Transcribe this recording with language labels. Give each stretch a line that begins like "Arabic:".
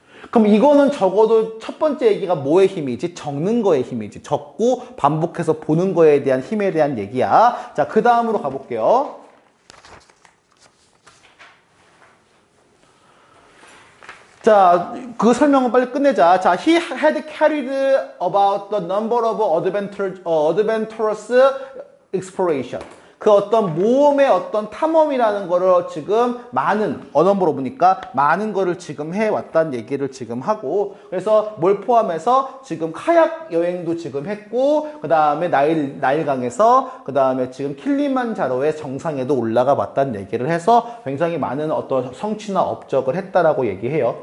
Korean: 그럼 이거는 적어도 첫 번째 얘기가 뭐의 힘이지? 적는 거의 힘이지. 적고 반복해서 보는 거에 대한 힘에 대한 얘기야. 자, 그 다음으로 가볼게요. 자, 그 설명은 빨리 끝내자.
English: 자, he had carried about the number of adventurous exploration.
Korean: 그 어떤 모험의 어떤 탐험이라는 거를 지금 많은 언어로 보니까 많은 거를 지금 해왔다는 얘기를 지금 하고, 그래서 뭘 포함해서 지금 카약 여행도 지금 했고, 그 다음에 나일강에서 그 다음에 지금 킬리만자로의 정상에도 올라가 봤다는 얘기를 해서 굉장히 많은 어떤 성취나 업적을 했다라고 얘기해요.